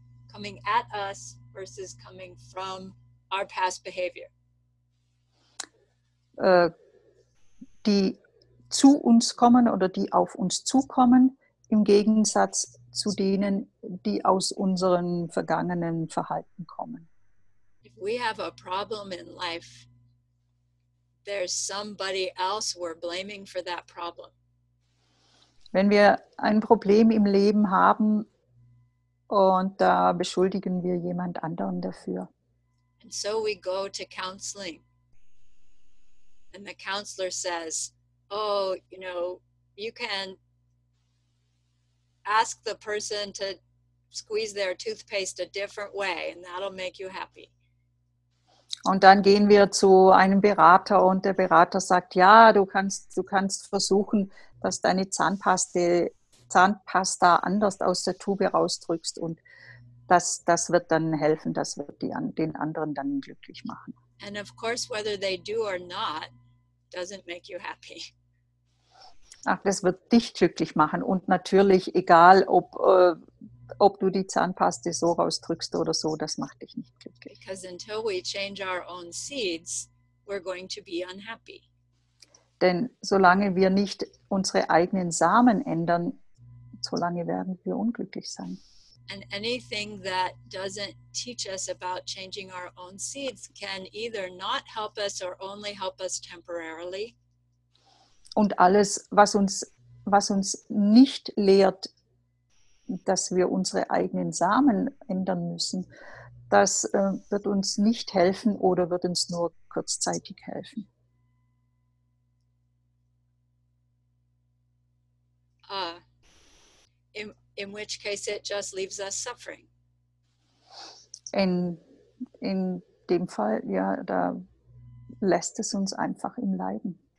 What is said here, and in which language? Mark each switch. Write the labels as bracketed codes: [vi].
[en] Coming at us versus coming from our past behavior. [de] Die zu uns kommen oder die auf uns zukommen, im Gegensatz zu denen, die aus unseren vergangenen Verhalten kommen. [en] If we have a problem in life, there's somebody else we're blaming for that problem. [de] Wenn wir ein Problem im Leben haben und da beschuldigen wir jemand anderen dafür. [en] And so we go to counseling. And the counselor says, oh, you know, you can ask the person to squeeze their toothpaste a different way and that'll make you happy. [de] Und dann gehen wir zu einem Berater und der Berater sagt, ja, du kannst versuchen, dass deine Zahnpasta anders aus der Tube rausdrückst und das wird dann helfen, das wird den anderen dann glücklich machen. [en] And of course, whether they do or not, doesn't make you happy. [de] Ach, das wird dich glücklich machen und natürlich, egal ob du die Zahnpaste so rausdrückst oder so, das macht dich nicht glücklich. [en] Because until we change our own seeds, we're going to be unhappy. [de] Denn solange wir nicht unsere eigenen Samen ändern, solange werden wir unglücklich sein. [en] And anything that doesn't teach us about changing our own seeds can either not help us or only help us temporarily. [de] Und alles, was uns nicht lehrt, dass wir unsere eigenen Samen ändern müssen, das wird uns nicht helfen oder wird uns nur kurzzeitig helfen. [en] In which case it just leaves us suffering. [de] In dem Fall, ja, da lässt es uns einfach im Leiden.